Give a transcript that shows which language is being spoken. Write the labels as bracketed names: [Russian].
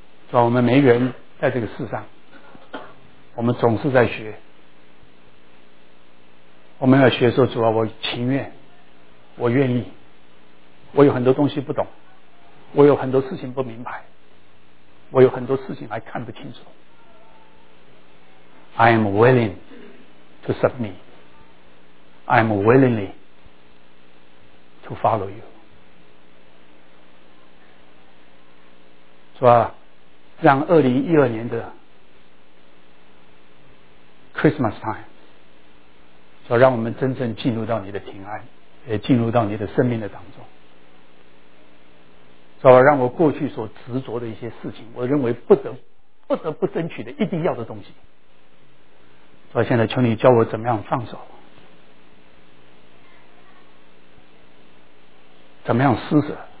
[Chinese] 主啊，我们每一个人在这个世上，我们总是在学，我们要学说，主啊，我情愿，我愿意，我有很多东西不懂，我有很多事情不明白，我有很多事情还看不清楚。 [English] I am willing to submit, I am willingly to follow you。 [Chinese] 主啊，让2012年的 Christmas time， 主啊，让我们真正进入到你的平安，也进入到你的生命的当中。主啊，让我过去所执着的一些事情，我认为不得不争取的一定要的东西，主啊，现在求你教我怎么样放手，怎么样施舍。